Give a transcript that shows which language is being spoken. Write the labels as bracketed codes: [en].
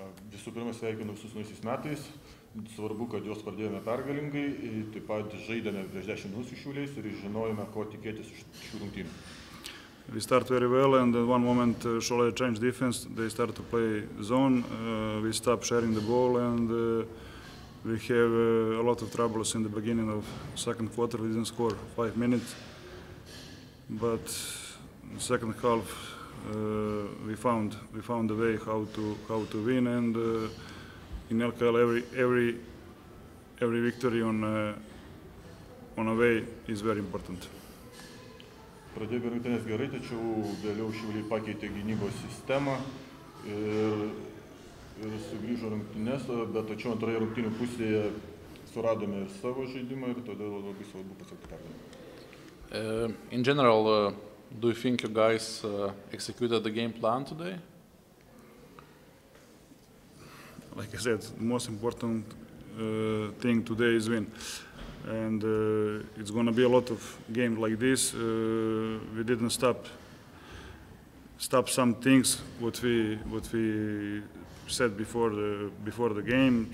[lt] Visų pirma, sveikinu visus naujaisiais metais. Svarbu, kad juos pradėjome pergalingai. Taip pat žaidėme prieš 10 minučių šiuliais ir žinojome, ko tikėtis iš šių rungtynių. [en] We start very well and at one moment Šolė changed defense. They start to play zone. We stop sharing the ball and we have a lot of troubles in the beginning of second quarter. We didn't score 5 minutes. But second half we found a way how to win and in LKL every victory on a way is very important. [lt] Pradėjo rungtynės gerai, tačiau vėliau Šiauliai pakeitė gynybos sistemą ir sugrįžo rungtynės, bet tačiau antroje rungtynių pusėje suradome ir savo žaidimą ir todėl labai svarbu pasiekti pergalę. [en] In general, do you think you guys executed the game plan today? Like I said, the most important thing today is win. And it's going to be a lot of games like this. We didn't stop some things what we said before the game.